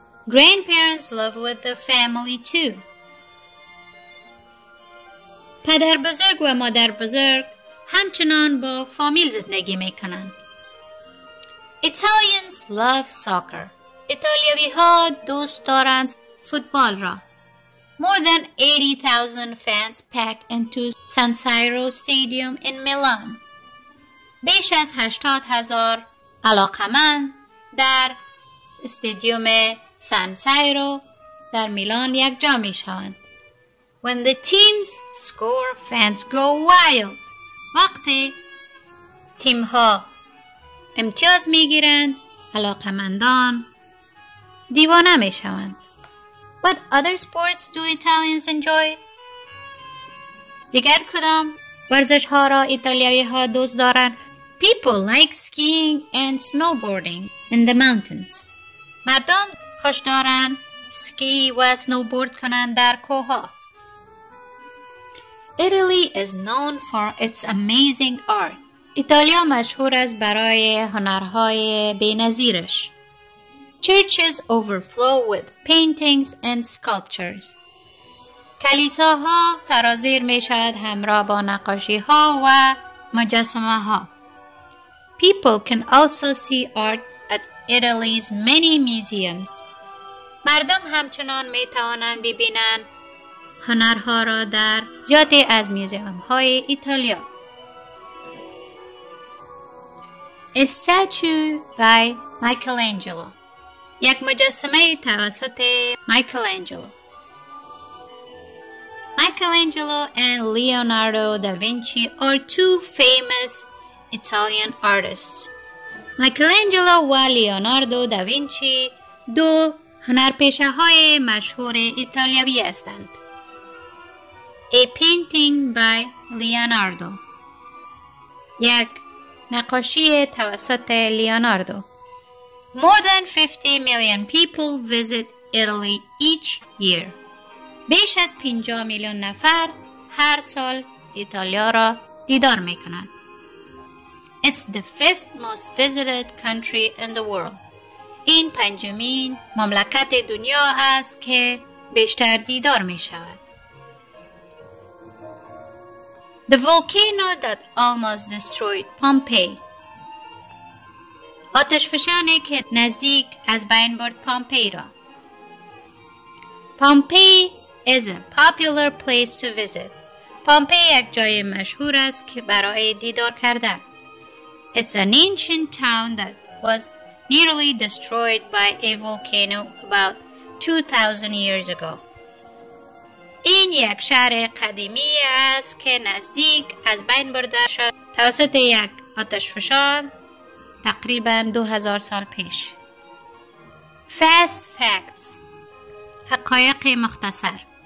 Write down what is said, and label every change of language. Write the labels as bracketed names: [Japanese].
[English] Grandparents live with the family too. [Persian] پدر بزرگ و مادر بزرگ همچنان با فامیل زندگی میکنند. [English] Italians love soccer. [Persian] ایتالیایی ها دوست دارند فوتبال را. [English] More than 80,000 fans pack into San Siro Stadium in Milan. [Persian] بیش از 80,000 علاقمند در استادیوم سان سایرو در میلان یک جا می شوند. [English] When the teams score, fans go wild. [Persian] وقتی تیم ها امتیاز می گیرند، علاقمندان دیوانه می شوند. [English] What other sports do Italians enjoy? [Persian] دیگر کدام ورزش ها را ایتالیایی ها دوست دارند؟ [English] People like skiing and snowboarding in the mountains. [Persian] مردم خوش دارن سکی و سنوبورد کنن در کوها. [English] Italy is known for its amazing art. [Persian] ایتالیا مشهور است برای هنرهای بی‌نظیرش. [English] Churches overflow with paintings and sculptures. [Persian] کلیساها سرازیر می شود همراه با نقاشی ها و مجسمه ها. [English] People can also see art at Italy's many museums. [Persian] مردم همچنان می توانند ببینند هنرها را در زیادی از میوزیم های ایتالیا. [English] A statue by Michelangelo. [Persian] یک مجسمه توسط مایکلانجلو. [English] Michelangelo and Leonardo da Vinci are two famous Italian artists. [Persian] Michelangelo و لیوناردو داوینچی دو هنرپیشه های مشهور ایتالیایی هستند. [English] A painting by Leonardo. [Persian] یک نقاشی توسط لیوناردو. [English] More than 50 million people visit Italy each year. [Persian] بیش از 50 میلیون نفر هر سال ایتالیا را دیدار میکنند. [English] It's the fifth most visited country in the world. [Persian] این پنجمین مملکت دنیا است که بیشتر دیدار می شود. [English] The volcano that almost destroyed Pompeii. [Persian] آتش فشانی که نزدیک از بین برد پامپی را. پامپی [English] is a popular place to visit. [Persian] پومپی یک جای مشهور است که برای دیدار کردن. [English] It's an ancient town that was nearly destroyed by a volcano about 2000 years ago. [Persian] این یک شهر قدیمی است که نزدیک از بین برده شد توسط یک آتش فشان تقریبا 2000 سال پیش. [English] Fast facts. [Persian] حقایق مختصر.